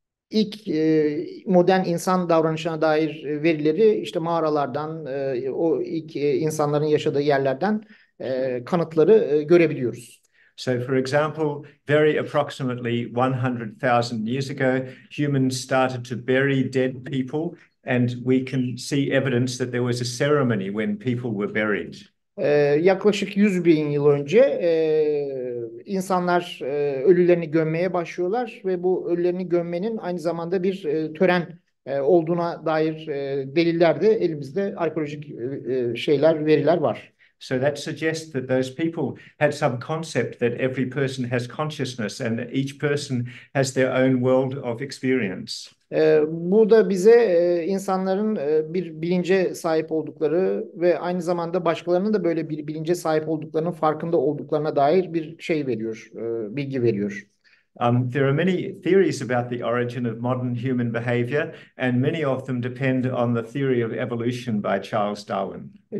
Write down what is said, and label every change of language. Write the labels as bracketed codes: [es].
[tr] İlk modern insan davranışına dair verileri işte mağaralardan, o ilk insanların yaşadığı yerlerden kanıtları görebiliyoruz. [en] So for example, very approximately 100,000 years ago, humans started to bury dead people and we can see evidence that there was a ceremony when people were buried. [tr] Yaklaşık 100 bin yıl önce insanlar ölülerini gömmeye başlıyorlar ve bu ölülerini gömmenin aynı zamanda bir tören olduğuna dair deliller de elimizde arkeolojik şeyler, veriler var. [en] So that suggests that those people had some concept that every person has consciousness and that each person has their own world of experience. [tr] Bu da bize insanların bir bilince sahip oldukları ve aynı zamanda başkalarının da böyle bir bilince sahip olduklarının farkında olduklarına dair bir şey veriyor, bilgi veriyor. [en] There are many theories about the origin of modern human behavior, and many of them depend on the theory of evolution by Charles Darwin.